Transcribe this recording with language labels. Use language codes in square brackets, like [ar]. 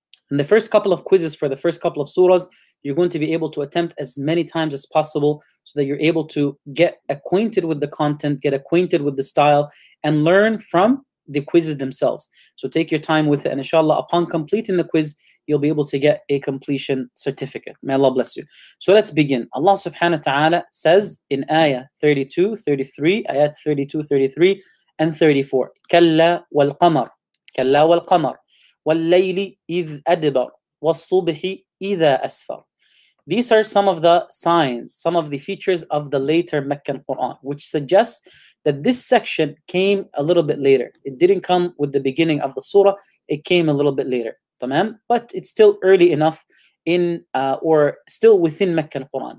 [en] In the first couple of quizzes for the first couple of surahs, you're going to be able to attempt as many times as possible so that you're able to get acquainted with the content, get acquainted with the style, and learn from the quizzes themselves. So take your time with it, and inshallah, upon completing the quiz, you'll be able to get a completion certificate. May Allah bless you. So let's begin. Allah subhanahu wa ta'ala says in ayah 32, 33, ayat 32, 33, and 34, [ar] كَلَّا وَالْقَمَرْ كَلَّا وَالْقَمَرْ وَاللَّيْلِ إِذْ أَدْبَرْ وَالصُّبْحِ إِذَا أَسْفَرْ. [en] These are some of the signs, some of the features of the later Meccan Quran, which suggests that this section came a little bit later. It didn't come with the beginning of the surah. It came a little bit later. Tamam? But it's still early enough in or still within Meccan Quran.